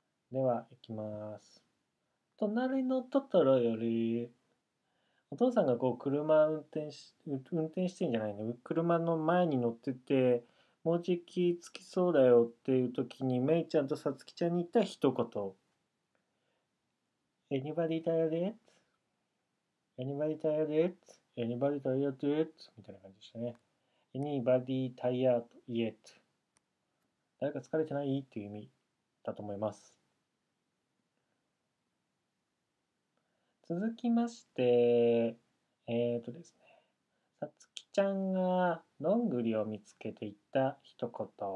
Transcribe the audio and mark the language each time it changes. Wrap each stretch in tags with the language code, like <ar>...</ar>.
<ja>では、いきます。隣のトトロより、お父さんがこう車運転してんじゃないの、車の前に乗ってて、もうじき着きそうだよっていう時に、めいちゃんとさつきちゃんに言った一言。</ja> <en>Anybody tired yet?Anybody tired yet?Anybody tired yet?</en> <ja>みたいな感じでしたね。</ja> <en>Anybody tired yet?</en> <ja>誰か疲れてない?っていう意味だと思います。続きまして、ですね、さつきちゃんがどんぐりを見つけて言った一言。</ja>